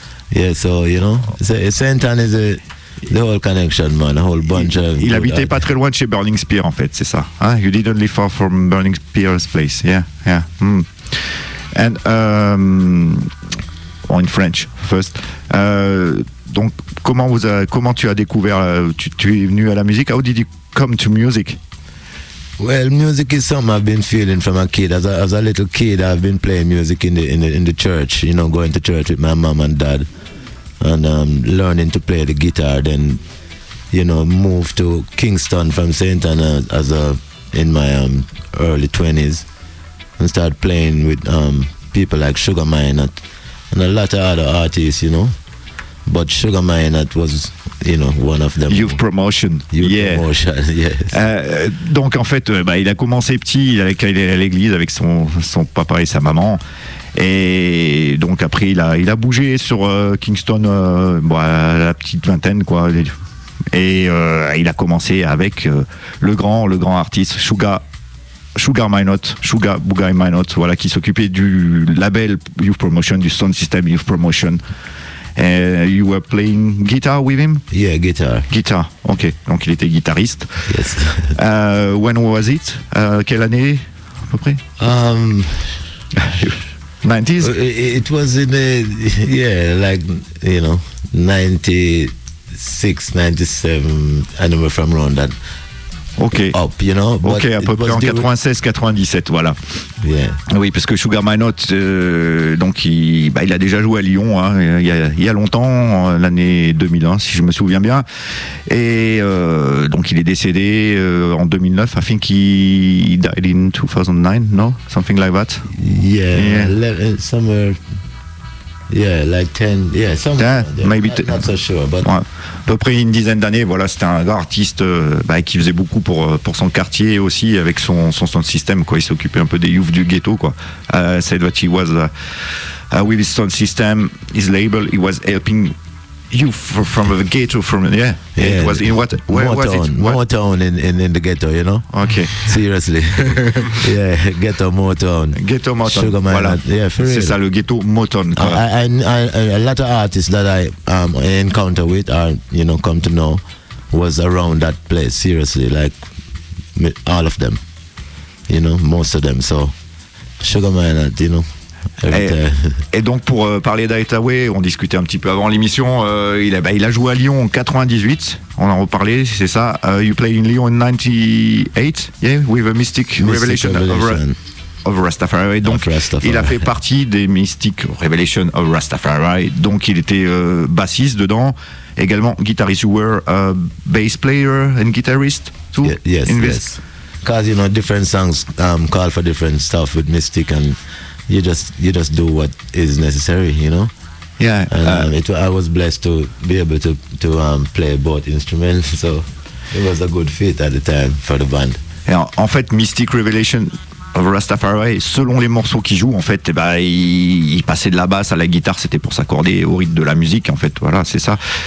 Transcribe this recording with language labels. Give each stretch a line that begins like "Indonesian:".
English: Yeah, so you know, Sainte-Anne is a the whole connection, man, a whole bunch of...
French: Il habitait pas très loin de chez Burning Spear, en fait, c'est ça.
English: Huh? You didn't live far from Burning Spear's place. Yeah, yeah. Mm. And, in French, first.
French: Donc, comment tu as découvert, tu es venu à la musique?
English: How did you come to music? Well, music is something I've been feeling from a kid. As a little kid, I've been playing music in the church, you know, going to church with my mom and dad. And learning to play the guitar, then, you know, moved to Kingston from St. Anne in my early 20s and started playing with people like Sugar Minot and a lot of other artists, you know. But Sugar Minot was, you know, one of them. Youth Promotion. Youth, yeah. Promotion, yes.
French: Donc en fait, il a commencé petit, il est allé à l'église avec son papa et sa maman. Et donc après, il a bougé sur Kingston, la petite vingtaine, quoi. Et il a commencé avec le grand artiste Sugar Minot, voilà, qui s'occupait du label Youth Promotion, du Sound System Youth Promotion.
English: And you were playing guitar with him? Yeah, guitar.
French: Guitar, ok. Donc il était guitariste.
English: Yes. When was it?
French: Quelle année, à peu près?
English: 90s? It was in the, yeah, like, you know, 96, 97, I remember from around that. Ok. Up, you know?
French: Ok, à peu près en 96, 97, voilà.
English: Yeah.
French: Oui, parce que Sugar Minot, donc il a déjà joué à Lyon, hein, il y a longtemps, l'année 2001, si je me souviens bien. Et donc il est décédé en 2009.
English: I think he died in 2009, no? Something like that? Yeah, yeah. Somewhere. Yeah, like 10, yeah, something. Yeah, maybe not so sure, but
French: ouais, à peu près une dizaine d'années. Voilà, c'était un grand artiste qui faisait beaucoup pour son quartier aussi, avec son système, quoi. Il s'occupait un peu des youths du ghetto, quoi.
English: Said that he was with his sound system, his label, he was helping youth from the ghetto, from, yeah, yeah, it was in what, where Motown, was it? Motown in the ghetto, you know. Okay. Seriously. Yeah, ghetto Motown. Sugar Minot,
French: voilà.
English: Yeah, for real.
French: C'est ça, le ghetto Motown.
English: I a lot of artists that I encounter with, are, you know, come to know, was around that place, seriously, like all of them, you know, most of them. So Sugar Minot, you know.
French: Et donc pour parler d'Hightaway, on discutait un petit peu avant l'émission, il a joué à Lyon en 98, on en reparlait, c'est ça.
English: You played in Lyon in 98, yeah, with a Mystic Revelation of Rastafari.
French: Donc il a fait partie des Mystic Revelation of Rastafari, donc il était bassiste dedans, également guitariste.
English: You were a bass player and guitarist too? Yes. Because, you know, different songs call for different stuff with Mystic, and you just do what is necessary, you know. Yeah. And I was blessed to be able to play both instruments, so it was a good fit at the time for the band.
French: Yeah, en fait, Mystic Revelation of Rastafari, selon les morceaux qu'il joue, en fait, il passait de la basse à la guitare, c'était pour s'accorder au rythme de la musique, en fait, voilà, c'est ça.